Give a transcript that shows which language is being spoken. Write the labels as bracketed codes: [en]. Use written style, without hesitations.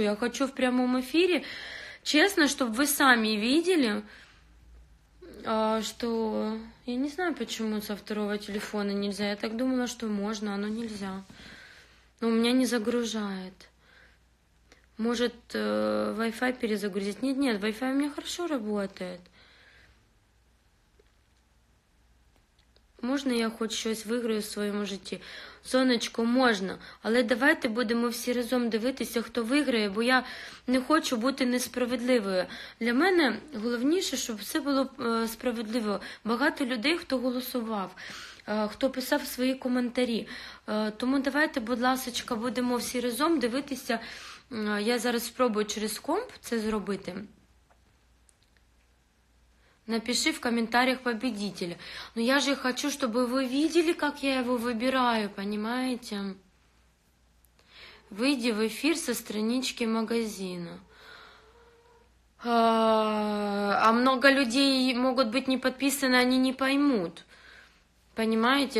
[ru] Я хочу в прямом эфире, честно, чтобы вы сами видели, что... Я не знаю, почему со второго телефона нельзя. Я так думала, что можно, а оно нельзя. Но у меня не загружает. Может, Wi-Fi перезагрузить? Нет, Wi-Fi у меня хорошо работает. Можно я хоть [uk] щось виграю в своєму житті? Сонечко, можна. Але давайте будемо всі разом дивитися, хто виграє, бо я не хочу бути несправедливою. Для мене головніше, щоб все було справедливо. Багато людей, хто голосував, хто писав свої коментарі. Тому давайте, будь ласочка, будемо всі разом дивитися. Я зараз спробую через комп це зробити. [ru] Напиши в комментариях победителя. Но я же хочу, чтобы вы видели, как я его выбираю, понимаете? Выйди в эфир со странички магазина. А много людей могут быть не подписаны, они не поймут. Понимаете?